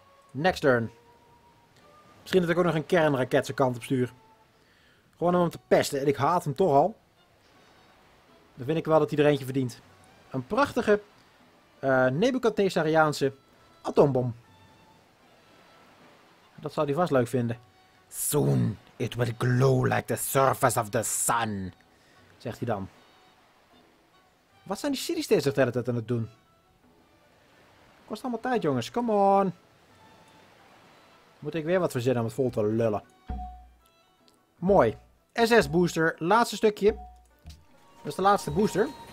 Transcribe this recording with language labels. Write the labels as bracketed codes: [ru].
[en] Next turn. [nl] Misschien dat ik ook nog een kernraket zijn kant op stuur. Gewoon om hem te pesten. En ik haat hem toch al. Dan vind ik wel dat hij er eentje verdient. Een prachtige Nebukadnessariaanse atoombom. Dat zou hij vast leuk vinden. [en] Soon it will glow like the surface of the sun. [nl] Zegt hij dan. Wat zijn die city states de hele tijd aan het doen? Kost allemaal tijd jongens, [en] come on. [nl] Moet ik weer wat verzinnen om het vol te lullen. Mooi. SS booster, laatste stukje. Dat is de laatste booster.